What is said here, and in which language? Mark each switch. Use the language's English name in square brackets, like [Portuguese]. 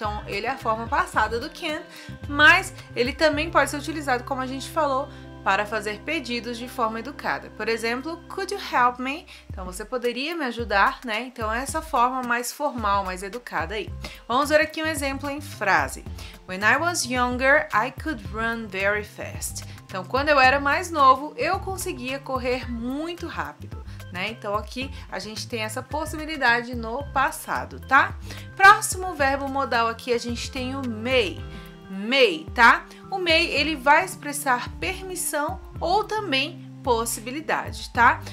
[Portuguese] Então, ele é a forma passada do can, mas ele também pode ser utilizado, como a gente falou, para fazer pedidos de forma educada. Por exemplo, [English] could you help me? [Portuguese] Então, você poderia me ajudar, né? Então, é essa forma mais formal, mais educada aí. Vamos ver aqui um exemplo em frase. [English] When I was younger, I could run very fast. [Portuguese] Então, quando eu era mais novo, eu conseguia correr muito rápido, né? Então, aqui a gente tem essa possibilidade no passado, tá? Próximo verbo modal aqui, a gente tem o may. May, tá? O may, ele vai expressar permissão ou também possibilidade, tá?